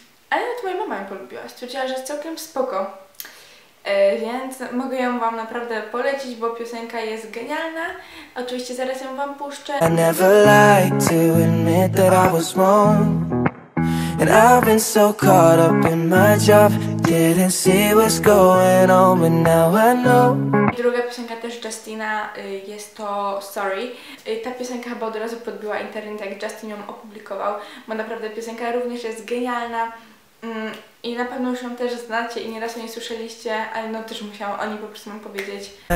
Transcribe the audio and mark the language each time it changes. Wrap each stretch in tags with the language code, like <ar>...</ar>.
<pl>Ale to moja mama ją polubiła, stwierdziła, że jest całkiem spoko, więc mogę ją wam naprawdę polecić, bo piosenka jest genialna. Oczywiście zaraz ją wam puszczę.</pl> <en>I never liked to admit that I was wrong. And I've been so caught up in my job, didn't see what's going on, but now I know.</en> <pl>I druga piosenka też Justina, jest to Sorry. Ta piosenka chyba od razu podbiła internet, jak Justin ją opublikował, bo naprawdę piosenka również jest genialna. I na pewno już ją też znacie i nieraz o niej słyszeliście, ale no też musiałam o niej po prostu wam powiedzieć.</pl>